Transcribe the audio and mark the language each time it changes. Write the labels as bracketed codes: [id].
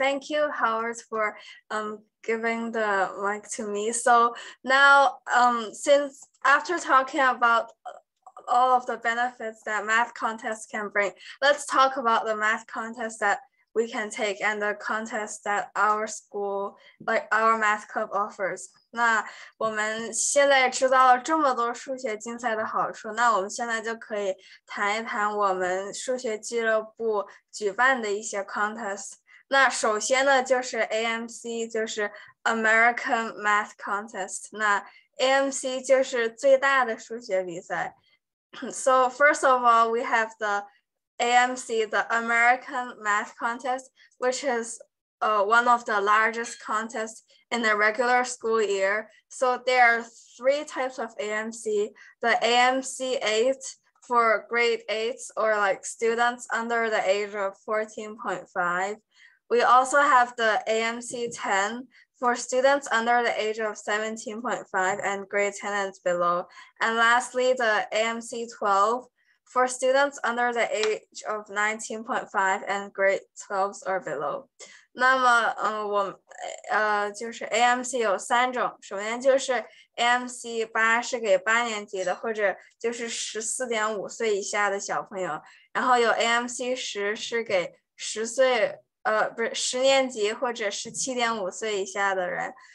[en] Thank you, Howard, for giving the mic to me. So now, since after talking about all of the benefits that math contests can bring, let's talk about the math contests that we can take and the contests that our school, like our math club offers. [zh] 那我们现在知道了这么多数学竞赛的好处，那我们现在就可以谈一谈我们数学俱乐部举办的一些 contest。那首先呢，就是 AMC， 就是 American Math Contest。那 AMC 就是最大的数学比赛。 [en] So first of all, we have the AMC, the American Math Contest, which is one of the largest contests. In the regular school year. So there are three types of AMC, the AMC 8 for grade 8s or like students under the age of 14.5. We also have the AMC 10 for students under the age of 17.5 and grade 10 and below. And lastly, the AMC 12 for students under the age of 19.5 and grade 12 or below. [zh] 那么，嗯，我，就是 AMC 有三种。首先就是 AMC 八是给八年级的或者就是十四点五岁以下的小朋友。然后有 AMC 十是给十岁，不是十年级或者十七点五岁以下的人。